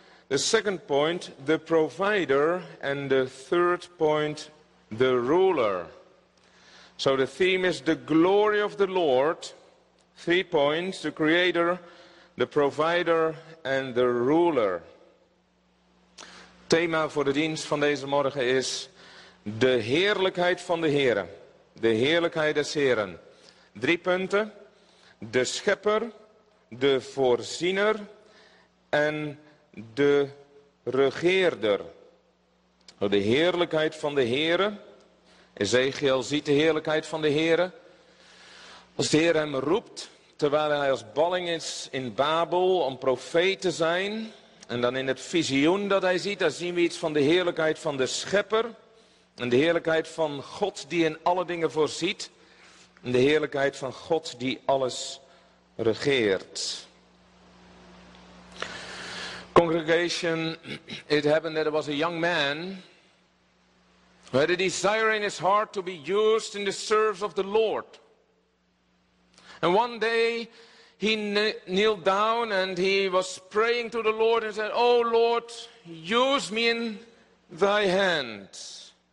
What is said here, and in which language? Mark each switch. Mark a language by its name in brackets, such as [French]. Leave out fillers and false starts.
[English] The second point, the Provider. And the third point, the Ruler. So the theme is the glory of the Lord. Three points, the Creator, the Provider, and the Ruler. [Dutch] Thema voor de dienst van deze morgen is de heerlijkheid van de Heren. De heerlijkheid des Heren. Drie punten, de Schepper, de Voorziener en de Regeerder. De heerlijkheid van de Heren. Ezechiël ziet de heerlijkheid van de Heren. Als de Heer hem roept, terwijl hij als balling is in Babel om profeet te zijn. En dan in het visioen dat hij ziet, daar zien we iets van de heerlijkheid van de Schepper. En de heerlijkheid van God die in alle dingen voorziet. En de heerlijkheid van God die alles regeert. [English] Congregation, it happened that there was a young man who had a desire in his heart to be used in the service of the Lord. And one day he kneeled down and he was praying to the Lord and said, "Oh Lord, use me in thy hand.